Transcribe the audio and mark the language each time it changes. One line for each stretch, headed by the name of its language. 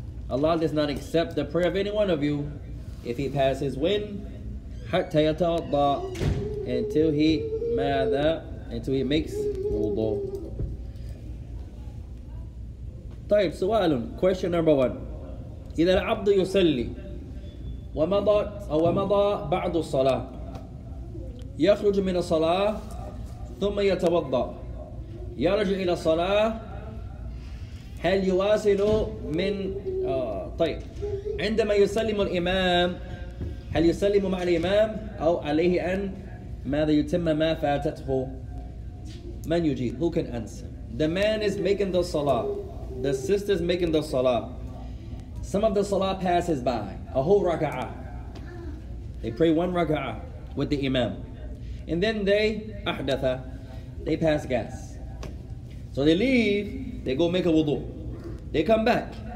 English: Allah does not accept the prayer of any one of you if he passes when
Arabic: حتى يتوضع,
English: until he
Arabic: ماذا,
English: until he makes wudu.
Arabic: طيب سؤال,
English: question number one.
Arabic: إذا العبد يصلي ومضى أو مضى بعد الصلاة يخرج من الصلاة ثم يتوضأ يرجع إلى الصلاة هل يواصل من طيب عندما يسلم الإمام هل يسلم مع الإمام أو عليه أن ماذا يتم ما فاتته من يجيب.
English: Who can answer? The man is making the salah. The sister is making the salah. Some of the salah passes by. A whole raka'ah. They pray one raka'ah with the imam. And then they, ahdatha, they pass gas. So they leave, they go make a wudu. They come back.